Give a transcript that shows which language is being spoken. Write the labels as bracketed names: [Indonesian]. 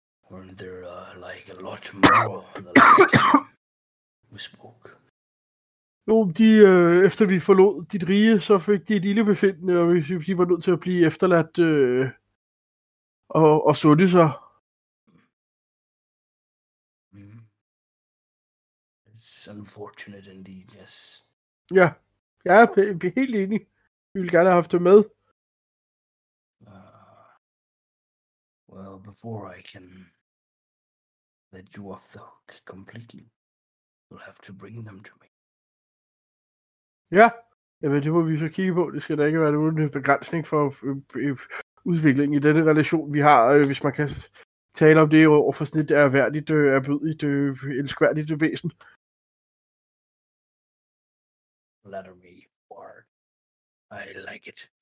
[English] Weren't there like a lot more than the last time we spoke? [Danish] Jo, de, efter vi forlod dit rige, så fik de et ildebefindende, og vi var nødt til at blive efterladt og sundte sig. [English] It's unfortunate indeed, yes. [Danish] Ja, jeg er helt enig. Vi ville gerne have haft det med. [English] Well, before I can let you off the hook completely, you'll have to bring them to me. [Danish] Ja, jamen det må vi så kigge på. Det skal da ikke være en begrænsning for udviklingen i denne relation, vi har, hvis man kan tale om det overfor sådan et ærværdigt, ærbydigt, elskværdigt væsen. [English] Letter me word. I like it.